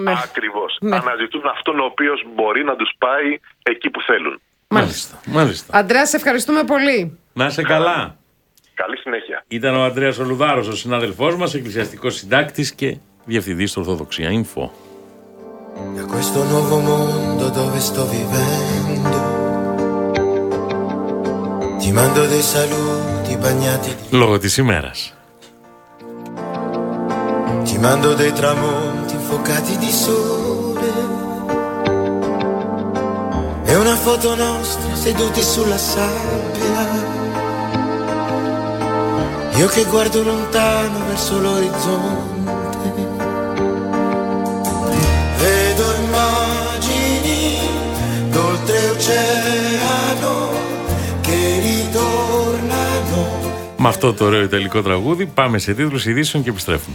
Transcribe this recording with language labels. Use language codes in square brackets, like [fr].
[el] Ακριβώς. Ναι. Αναζητούν αυτόν ο οποίος μπορεί να τους πάει εκεί που θέλουν. Μάλιστα. Αντρέα, σε ευχαριστούμε πολύ. Να είσαι καλά. Καλή συνέχεια. Ήταν ο Αντρέας Ολουδάρος, ο συνάδελφός μας, εκκλησιαστικός συντάκτης και διευθυντής του Ορθοδοξία Info. [it] Για questo nuovo mondo dove sto vivendo. Ti mando dei saluti bagnati. [el] Λόγω της ημέρας. [it] Ti mando dei tramonti infuocati di sole. E una foto nostra seduti sulla sabbia. Io che guardo lontano verso l'orizzonte. Vedo immagini d'oltre oceano che ritornano. [el] Με αυτό το ωραίο ιταλικό τραγούδι πάμε σε τίτλους ειδήσεων και επιστρέφουμε.